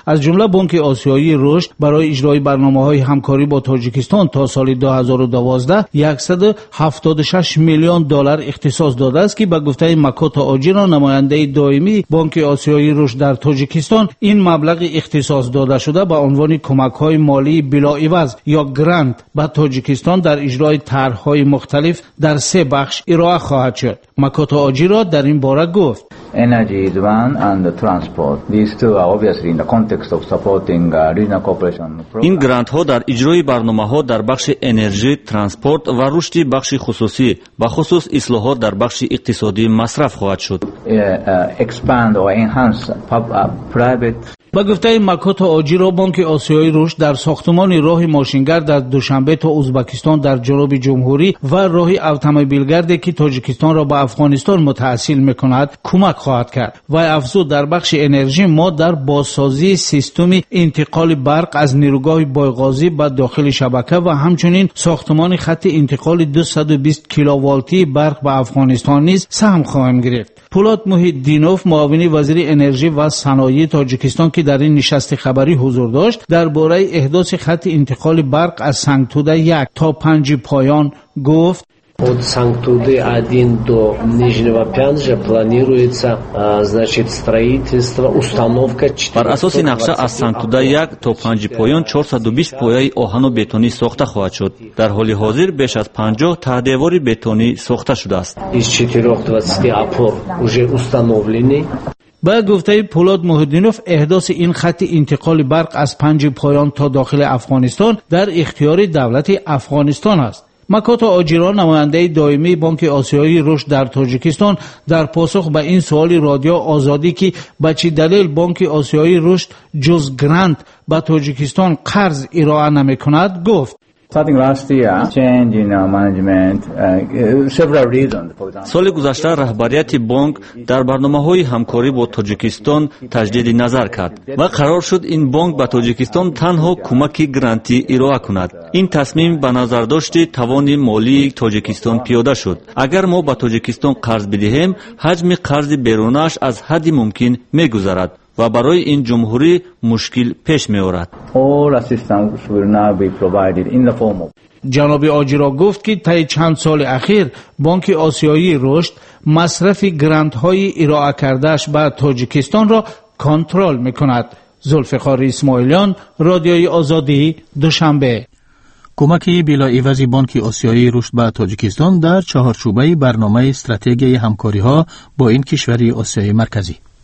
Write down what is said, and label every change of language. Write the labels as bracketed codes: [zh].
[fa] از جمله بانک آسیایی رشد برای اجرای برنامه های همکاری با تاجیکستان تا سال 2012 176 میلیون دلار اختصاص داده است که به گفته مکات آجیرا نماینده دائمی بانک آسیایی رشد در تاجیکستان این مبلغ اختصاص داده شده به عنوان کمک های مالی بلاعوض یا گرانت به تاجیکستان در اجرای طرح های مختلف در سه بخش ارائه خواهد شد. مکات آجیرا در این باره گفت: [en] Energy is one and transport. These two are obviously in the context of supporting regional cooperation. [fa] این گرانت ها در اجرای برنامه ها در بخش انرژی، ترانسپورت و رشد بخش خصوصی و خصوص اصلاحات در بخش اقتصادی مصرف خواهد شد. [en] Expand or enhance private. [fa] با گفته مکات آجیرا بانک آسیایی رشد در ساختمان راه ماشینگر در دوشنبه تا ازبکستان در جنوب جمهوری و راه اوتومبیلگرد که تاجیکستان را به افغانستان متصل میکند کمک خواهد کرد. و افزود در بخش انرژی ما در بازسازی سیستم انتقال برق از نیروگاه بایقازی به داخل شبکه و همچنین ساختمان خط انتقال 220 کیلوولتی برق به افغانستان نیز سهم خواهیم گرفت. پولات محید دینوف معاون وزیر انرژی و صنایع تاجیکستان که در این نشست خبری حضور داشت درباره احداث خط انتقال برق از سنگتوده 1 تا 5 پایان گفت: [ru] От Санктуды 1 до Нижнего Пянжа планируется, значит, строительство, установка 4. [tg] Бар асоси нақша аз Санктуда 1 то 5 поён 420 пояи оҳану бетони сохта хоҳад шуд. Дар ҳоли ҳозир беш аз 50 таҳдевори бетони сохта шудааст. [ru] Из 420 опор уже установлены. [fa] با گفته پولاد محدینوف احداث این خط انتقال برق از 5 پایان تا داخل افغانستان در اختیار دولت افغانستان است. مکات آجیرا نماینده دائمی بانک آسیایی رشد در تاجیکستان در پاسخ به این سوال رادیو آزادی که به چه دلیل بانک آسیایی رشد جز گرانت به تاجیکستان قرض ارائه نمی کند گفت: [en] Starting last year, change in our management, several reasons. [fa] سال گذشته رهبریت بانک در برنامه‌های همکاری با تاجیکستان تجدید نظر کرد و قرار شد این بانک به تاجیکستان تنها کمک گرانتی ارائه کند. این تصمیم به نظر داشت توان مالی تاجیکستان پیاده شد. اگر ما به تاجیکستان قرض بدهیم، حجم قرض بیرونش از حد ممکن می‌گذرد و برای این جمهوری مشکل پیش می‌آورد. [en] All assistance will now be provided in the form of. [fa] جناب آجیرا گفت که طی چند سال اخیر بانک آسیایی رشد مصرف گرانت های ارائه کردهش به تاجیکستان را کنترل می‌کند. ذوالفقار اسماعیلیان، رادیوی آزادی، دوشنبه. کمکی بلاعوضی بانک آسیایی رشد به تاجیکستان در چهارچوبه برنامه استراتژی همکاری ها با این کشوری آسیای مرکزی.